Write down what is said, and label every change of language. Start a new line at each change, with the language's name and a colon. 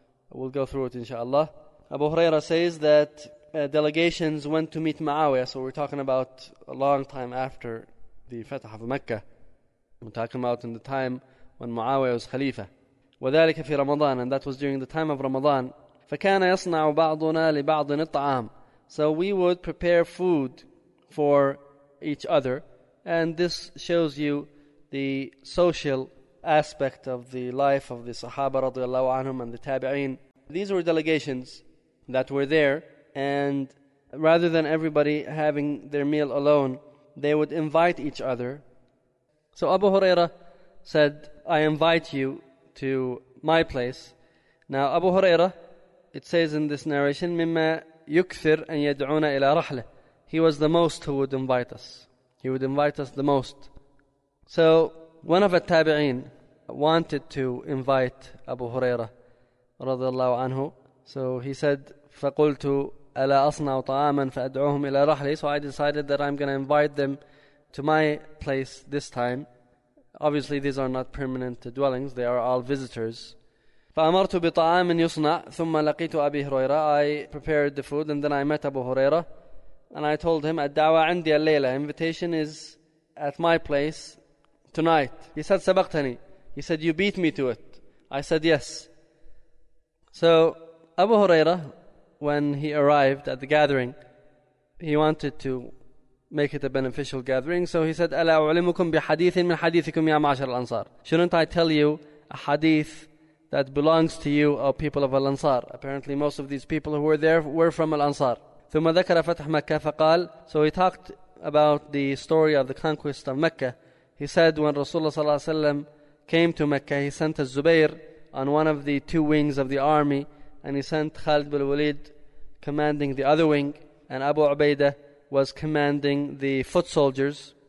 English: We'll go through it inshallah. Abu Huraira says that delegations went to meet Muawiyah. So we're talking about a long time after the Fatah of Mecca. We're talking about in the time when Muawiyah was Khalifa.
Arabic: وذلك في رمضان,
English: and that was during the time of Ramadan.
Arabic: فكان يصنع بعضنا لبعض الطعام.
English: So we would prepare food for each other, and this shows you the social aspect of the life of the Sahaba رضي الله عنهم and the Tabi'in. These were delegations that were there, and rather than everybody having their meal alone, they would invite each other. So Abu Huraira said, I invite you to my place. Now Abu Huraira, it says in this narration,
Arabic: مِمَّا يُكْثِرْ أَن يَدْعُونَ إِلَى رَحْلَةٍ.
English: He was the most who would invite us. He would invite us the most. So one of the Tabi'een wanted to invite Abu Huraira رضي الله عنه. So he said,
Arabic: فَقُلْتُ أَلَا أَصْنَعُ طَعَامًا فَأَدْعُوهُمْ إِلَى رَحْلِي.
English: So I decided that I'm going to invite them to my place this time. Obviously, these are not permanent dwellings. They are all visitors.
Arabic: فَأَمَرْتُ بِطَعَامٍ يُصْنَعْ ثُمَّ لَقِيتُ أَبِي هُرَيْرَ.
English: I prepared the food and then I met Abu Huraira. And I told him,
Arabic: الدَّعْوَى عَنْدِيَ اللَّيْلَ.
English: Invitation is at my place tonight. He said,
Arabic: سَبَقْتَنِي.
English: He said, you beat me to it. I said, yes. So Abu Huraira, when he arrived at the gathering, he wanted to make it a beneficial gathering. So he said,
Arabic: أَلَا أُعْلِمُكُمْ بِحَدِيثٍ مِنْ حَدِيثِكُمْ يَا مَعْشَرَ الْأَنصَارِ.
English: Shouldn't I tell you a hadith that belongs to you, O people of Al-Ansar? Apparently most of these people who were there were from Al-Ansar.
Arabic: ثم ذكر فتح مكة فقال.
English: So he talked about the story of the conquest of Mecca. He said when Rasulullah صلى الله عليه وسلم came to Mecca, he sent Zubair on one of the two wings of the army, and he sent Khalid bin Walid commanding the other wing, and Abu Ubaidah was commanding the foot soldiers.